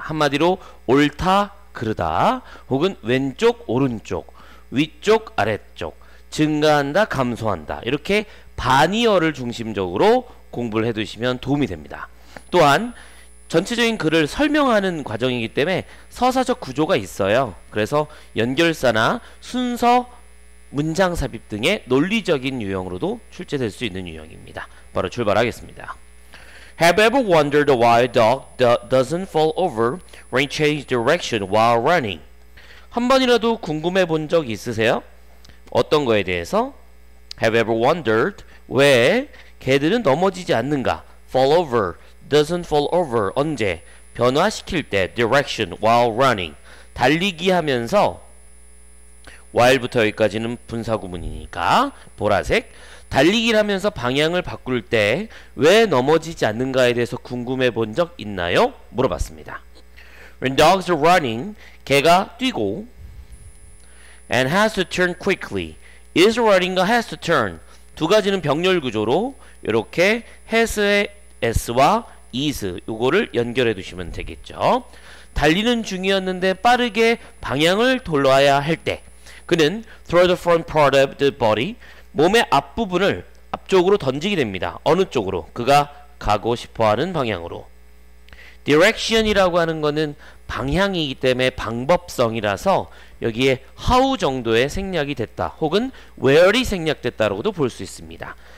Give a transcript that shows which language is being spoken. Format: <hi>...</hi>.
<ko>한마디로 옳다, 그르다, 혹은 왼쪽, 오른쪽, 위쪽, 아래쪽, 증가한다, 감소한다, 이렇게 반의어를 중심적으로 공부를 해두시면 도움이 됩니다. 또한 전체적인 글을 설명하는 과정이기 때문에 서사적 구조가 있어요. 그래서 연결사나 순서, 문장 삽입 등의 논리적인 유형으로도 출제될 수 있는 유형입니다. 바로 출발하겠습니다.</ko> <en>Have you ever wondered why a dog doesn't fall over when he changes direction while running?</en> <ko>한 번이라도 궁금해 본 적 있으세요? 어떤 거에 대해서?</ko> <en>Have you ever wondered</en> <ko>왜 개들은 넘어지지 않는가?</ko> <en>Fall over, doesn't fall over,</en> <ko>언제? 변화시킬 때,</ko> <en>direction while running,</en> <ko>달리기 하면서 while부터 여기까지는 분사구문이니까 보라색, 달리기를 하면서 방향을 바꿀 때 왜 넘어지지 않는가에 대해서 궁금해 본 적 있나요? 물어봤습니다.</ko> <en>When dogs are running,</en> <ko>개가 뛰고</ko> <en>and has to turn quickly,</en> <ko>is running과 has to turn, 두 가지는 병렬 구조로 이렇게 has의 s와 is 요거를 연결해 두시면 되겠죠. 달리는 중이었는데 빠르게 방향을 돌려야 할 때 그는</ko> <en>throw the front part of the body,</en> <ko>몸의 앞부분을 앞쪽으로 던지게 됩니다. 어느 쪽으로? 그가 가고 싶어하는 방향으로. direction이라고 하는 것은 방향이기 때문에 방법성이라서 여기에 how 정도의 생략이 됐다, 혹은 where이 생략됐다라고도 볼 수 있습니다.</ko>